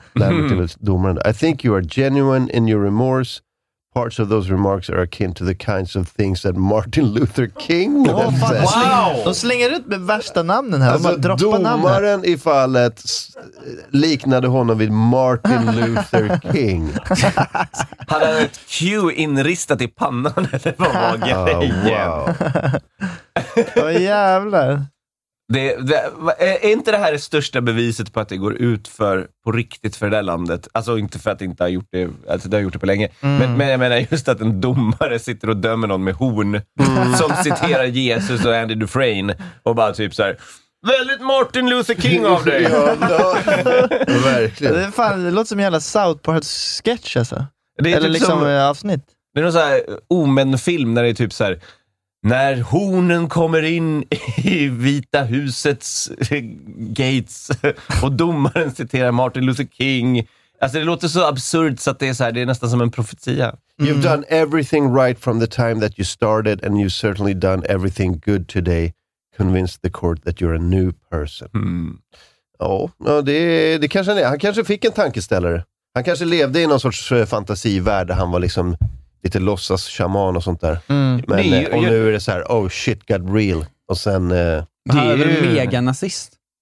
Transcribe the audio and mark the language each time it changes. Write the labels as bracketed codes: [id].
[en] Lambert was [sv] domaren. [en] I think you are genuine in your remorse. Parts of those remarks are akin to the kinds of things that Martin Luther King said. Wow! [sv] De slänger ut med värsta namnen här. Alltså, domaren i fallet liknade honom vid Martin Luther King. Hade han ett Q inristat i pannan eller vad var grejen? Wow. Vad jävlar. Är inte det här det största beviset på att det går ut för på riktigt för det landet? Alltså inte för att det inte har gjort det, alltså det har gjort det på länge. Mm. Men jag menar just att en domare sitter och dömer någon med horn som citerar Jesus och Andy Dufresne och bara typ så här: väldigt Martin Luther King av dig. Verkligen. Det, är fan, det låter som en jävla South Park sketch alltså. Det är eller typ liksom som, avsnitt. Det är någon så här omen-film när det är typ så här: när hornen kommer in i Vita husets gates och domaren citerar Martin Luther King. Alltså det låter så absurt så att det är så här, det är nästan som en profetia. Mm. [en] You've done everything right from the time that you started and you've certainly done everything good today. Convince the court that you're a new person. Mm. [sv] Ja, det kanske han är. Han kanske fick en tankeställare. Han kanske levde i någon sorts fantasivärld där han var liksom lite låtsas shaman och sånt där. Mm. Men, och nu är det så här, [en] oh shit got real. [sv] Och sen... Han är väl meganazist?